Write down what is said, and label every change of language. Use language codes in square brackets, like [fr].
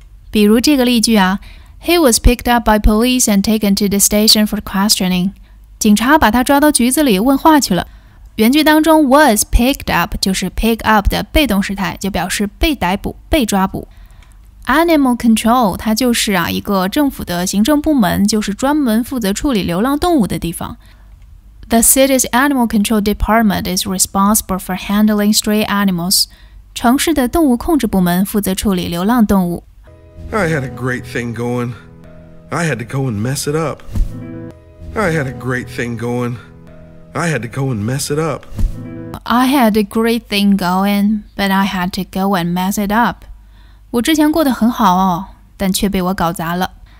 [zh] 比如这个例句啊 ， [en] He was picked up by police and taken to the station for questioning。 [zh] 警察把他抓到局子里问话去了。原句当中 was picked up 就是 pick up 的被动时态，就表示被逮捕、被抓捕。 Animal control 它就是啊一个政府的行政部门，就是专门负责处理流浪动物的地方。 [en] The city's animal control department is responsible for handling stray animals. [zh] 城市的动物控制部门负责处理流浪动物。 [en] I had a great thing going. I had to go and mess it up. I had a great thing going. I had to go and mess it up. I had a great thing going, but I had to go and mess it up. [zh] 我之前过得很好哦，但却被我搞砸了。